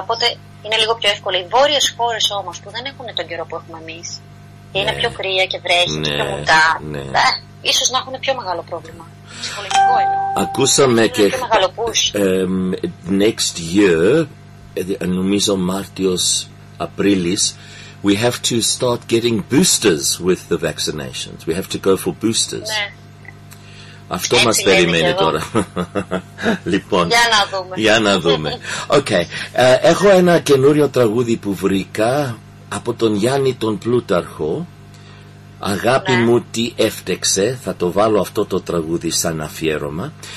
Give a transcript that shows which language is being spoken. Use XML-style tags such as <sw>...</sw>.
<el>Οπότε είναι λίγο πιο εύκολο. Οι βόρειες χώρες όμως που δεν έχουν τον καιρό που έχουμε εμείς, και είναι πιο κρύα και βρέχει και πιο μουτά, ίσως να έχουν πιο μεγάλο πρόβλημα. Ψυχολογικό είναι. Ακούσαμε και. Πιο μεγάλο push.</el> <en>Next year,</en> <el>νομίζω Μάρτιος, Απρίλης.</el> <en>We have to start getting boosters with the vaccinations. We have to go for boosters.</en> <el>Ναι. Αυτό μας περιμένει τώρα. Λοιπόν. Για να δούμε. Για να δούμε. Okay. Έχω ένα καινούριο τραγούδι που βρήκα από τον Γιάννη τον Πλούταρχο. Αγάπη μου τι έφτεξε. Θα το βάλω αυτό το τραγούδι σαν αφιέρωμα.</el>